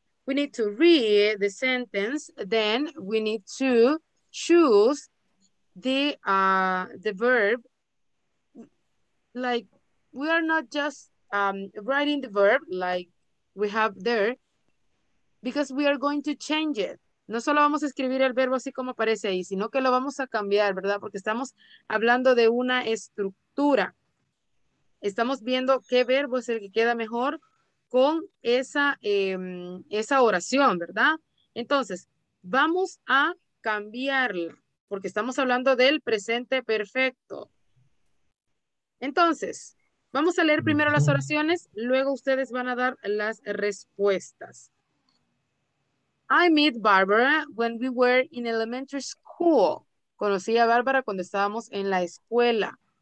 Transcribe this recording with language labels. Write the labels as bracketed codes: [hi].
[en] We need to read the sentence, then we need to choose the verb. Like, we are not just writing the verb like we have there, because we are going to change it. [es] No solo vamos a escribir el verbo así como aparece ahí, sino que lo vamos a cambiar, ¿verdad? Porque estamos hablando de una estructura. Estamos viendo qué verbo es el que queda mejor con esa, esa oración, ¿verdad? Entonces, vamos a cambiarla, porque estamos hablando del presente perfecto. Entonces, vamos a leer primero las oraciones, luego ustedes van a dar las respuestas. [en] I met Barbara when we were in elementary school. [es] Conocí a Bárbara cuando estábamos en la escuela.